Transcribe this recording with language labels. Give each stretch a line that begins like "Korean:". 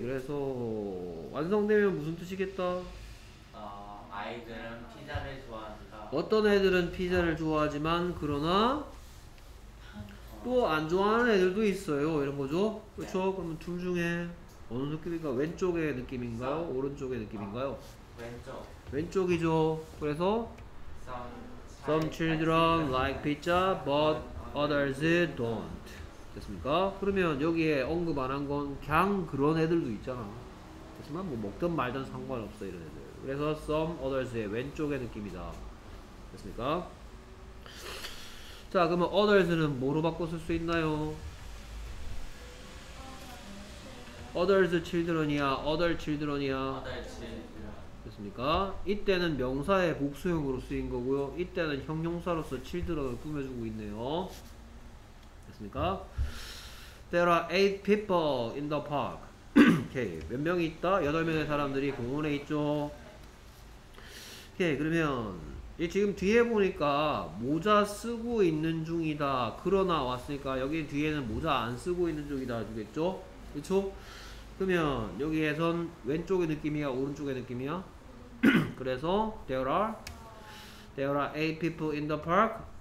Korean: 그래서 완성되면 무슨 뜻이겠다? 아이들은 피자를 좋아한다. 어떤 애들은 피자를 좋아하지만 그러나 또 안 좋아하는 애들도 있어요. 이런 거죠? 그렇죠? 네. 그러면 둘 중에 어느 느낌인가? 왼쪽의 느낌인가요? 오른쪽의 느낌인가요? 왼쪽. 왼쪽이죠.
English: 그래서 some children like pizza but others don't.
Korean: 됐습니까? 그러면 여기에 언급 안 한 건 그냥 그런 애들도 있잖아. 하지만 뭐 먹든 말든 상관없어 이런 애들. 그래서 some others의 왼쪽의 느낌이다. 됐습니까? 자, 그러면 others는 뭐로 바꿔 쓸 수 있나요? others children이야 other children이야? 됐습니까? 이때는 명사의 복수형으로 쓰인 거고요. 이때는 형용사로서 children을 꾸며주고 있네요. 됐습니까?
English: There are eight people in the park.
Korean: 오케이. 몇 명이 있다? 8명의 사람들이 공원에 있죠. 오케이. 그러면 지금 뒤에 보니까 모자 쓰고 있는 중이다. 그러나 왔으니까 여기 뒤에는 모자 안 쓰고 있는 중이다 주겠죠? 그렇죠? 그러면 여기에선 왼쪽의 느낌이야? 오른쪽의 느낌이야?
English: 그래서 there are eight people in the park.